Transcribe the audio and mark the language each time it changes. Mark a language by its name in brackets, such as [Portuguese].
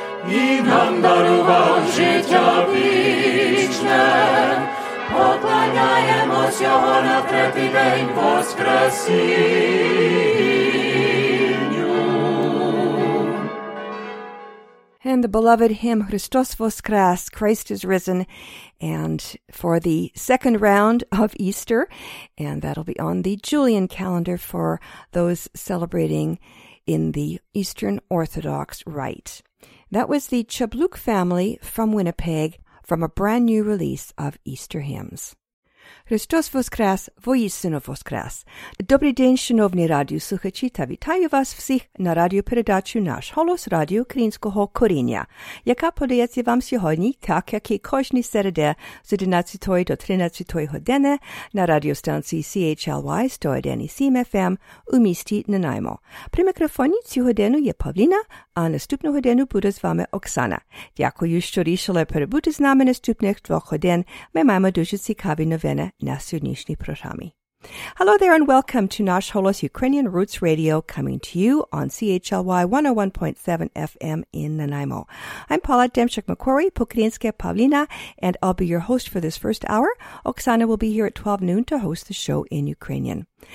[Ukrainian] І нам дарував життя вічне, поклоняємось Його на третій день воскресінню. [English] And the beloved hymn, Christos Voskres, Christ is Risen, and for the second round of Easter, and that'll be on the Julian calendar for those celebrating in the Eastern Orthodox Rite. That was the Chabluk family from Winnipeg from a brand new release of Easter hymns. [Ukrainian] Христос Воскрес, воїстину Воскрес. Добрий день, шановні радіослухачі, та вітаю вас всіх на радіопередачу «Наш голос» Радіо Українського коріння, яка подається вам сьогодні, так як і кожні середи з 11 до 13 години на радіостанції CHLY 101.7 FM у місті Нанаймо. При мікрофоні цю годину є Павліна, а наступну годину буде з вами Оксана. Дякую, що рішили перебути з нами наступних двох годин. Ми маємо дуже цікаві новини на сьогоднішній програмі. [English] Hello there and welcome to Nash Holos Ukrainian Roots Radio, coming to you on CHLY 101.7 FM in Nanaimo. I'm Paula Demchuk-McCory, Pokrinska Pavlina, and I'll be your host for this first hour. Oksana will be here at 12 noon to host the show in Ukrainian.